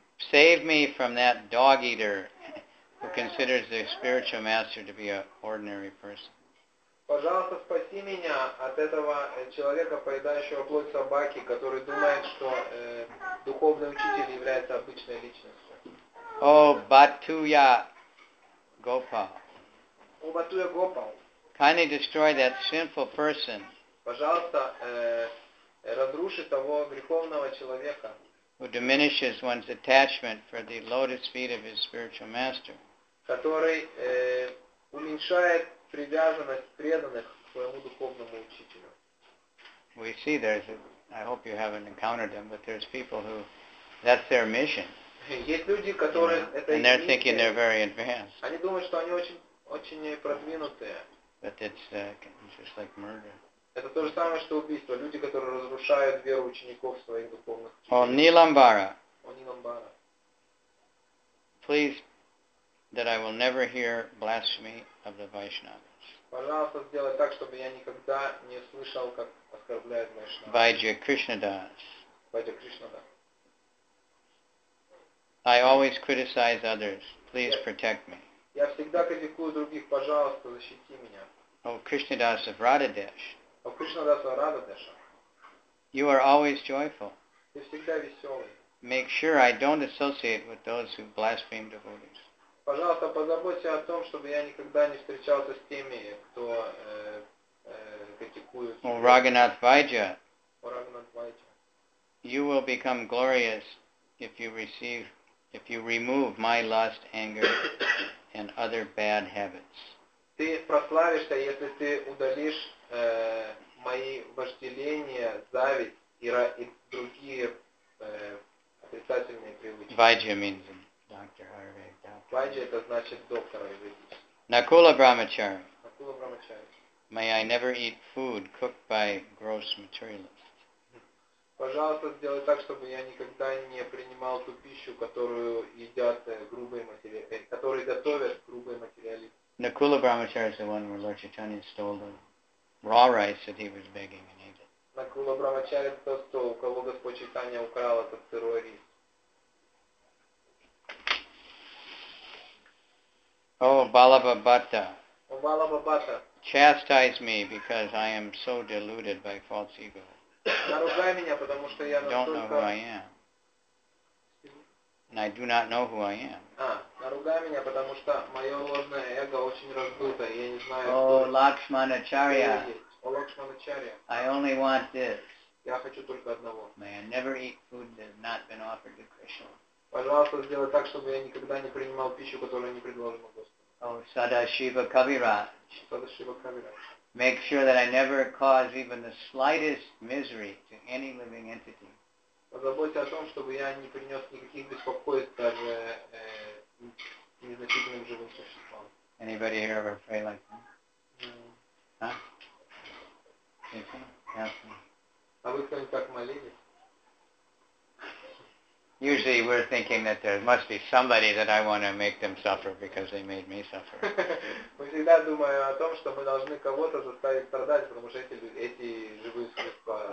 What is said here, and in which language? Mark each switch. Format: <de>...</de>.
<en>Save me from that dog eater who considers the spiritual master to be an ordinary person.</en> <ru>Пожалуйста, спаси меня от этого человека, поедающего плоть собаки, который думает, что духовный учитель является обычной личностью. О, Батуя Гопал. О, Батуя Гопал.</ru> <en>Kindly destroy that sinful person.</en> <ru>Пожалуйста, разруши того греховного человека,</ru> <en>who diminishes one's attachment for the lotus feet of his spiritual master.</en> <ru>Который уменьшает привязанность преданных к своему духовному учителю.</ru> <en>We see there's, I hope you haven't encountered them, but there's people who, that's their mission.</en> <ru>Есть люди, которые это их миссия.</ru> <en>And they're thinking they're very advanced.</en> <ru>Они думают, что они очень продвинутые.</ru> <en>But it's just like murder.</en> <ru>Это то же самое, что убийство. Люди, которые разрушают веру учеников своих духовных учителей. О, Ниламбара. О, Ниламбара.</ru> <en>Please, that I will never hear blasphemy of the Vaishnavas.</en> <ru>Пожалуйста, сделай так, чтобы я никогда не слышал, как оскорбляют Вайшнавы.</ru> <en>Vaidya Krishnadas. Vaidya Krishnadas. I always criticize others. Please protect me.</en> <ru>Я всегда критикую других. Пожалуйста, защити меня. О, Кришнадас of Радхадеш. О, Кришнадас of Радхадеша.</ru> <en>You are always joyful.</en> <ru>Ты всегда веселый.</ru> <en>Make sure I don't associate with those who blaspheme devotees.</en> <ru>Пожалуйста, позаботься о том, чтобы я никогда не встречался с теми, кто критикует. О, Рагханат Вайджа. О, Рагханат Вайджа.</ru> <en>You will become glorious if you receive, if you remove my lust, anger, and other bad habits.</en> <ru>Ты прославишься, если ты удалишь мои вожделения, зависть и другие отрицательные привычки.</ru> <en>Vaidya means doctor, Ayurveda.</en> <ru>Vaidya это значит доктор Ayurveda.</ru> <en>Nakula Brahmachari. Nakula Brahmachari. May I never eat food cooked by gross materialists.</en> <ru>Пожалуйста, сделай так, чтобы я никогда не принимал ту пищу, которую едят грубые материалисты, которые готовят грубые материалисты.</ru> <en>Nakula Brahmachari is the one where Lord Chaitanya stole the raw rice that he was begging and ate it.</en> <ru>Nakula Brahmachari</ru> <en>is the one who,</en> <ru>кого Господь Чайтанья украл этот сырой рис.</ru> <en>Oh, Balabhabhatta. Oh, Balabhabhatta. Chastise me because I am so deluded by false ego.</en> <ru>Наругай меня, потому что я настолько...</ru> <en>Don't know who I am. And I do not know who I am.</en> <ru>Наругай меня, потому что мое ложное эго очень раздуто, и я не знаю...</ru> <en>Oh, Lakshmanacharya. Oh, Lakshmanacharya. I only want this.</en> <ru>Я хочу только одного.</ru> <en>May I never eat food that has not been offered to Krishna.</en> <ru>Пожалуйста, сделай так, чтобы я никогда не принимал пищу, которую не предложено Господу.</ru> <en>Oh, Sadashiva Kaviraj. Sadashiva Kaviraj. Make sure that I never cause even the slightest misery to any living entity.</en> <ru>Позаботься о том, чтобы я не принес никаких беспокойств даже незначительным живым существам.</ru> <en>Anybody here ever pray like that? Huh?</en> <ru>А вы кто-нибудь так молились?</ru> <en>Usually we're thinking that there must be somebody that I want to make them suffer because they made me suffer.</en> <ru>Мы всегда думаем о том, что мы должны кого-то заставить страдать, потому что эти живые существа.</ru>